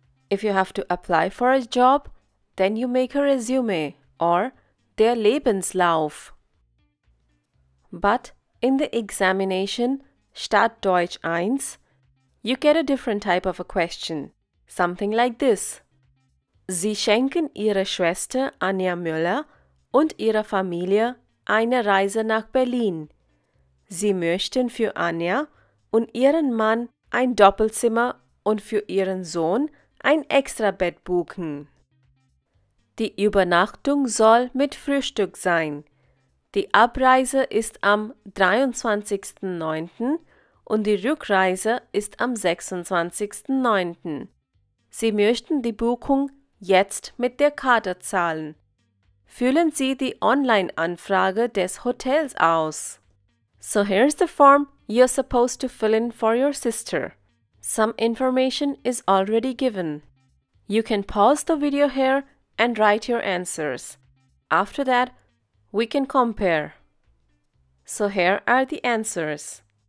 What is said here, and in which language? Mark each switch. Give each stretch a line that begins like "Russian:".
English: If you have to apply for a job, then you make a resume or der Lebenslauf. But in the examination START DEUTSCH 1, you get a different type of a question. Something like this.
German: Sie schenken Ihrer Schwester Anja Müller und Ihrer Familie eine Reise nach Berlin. Sie möchten für Anja und Ihren Mann ein Doppelzimmer und für Ihren Sohn ein Extrabett buchen. Die Übernachtung soll mit Frühstück sein. Die Abreise ist am 23.09. und die Rückreise ist am 26.09. Sie möchten die Buchung jetzt mit der Karte zahlen. Füllen Sie die Online-Anfrage des Hotels aus.
English: So here's the form you're supposed to fill in for your sister. Some information is already given. You can pause the video here and write your answers. After that, we can compare. So here are the answers.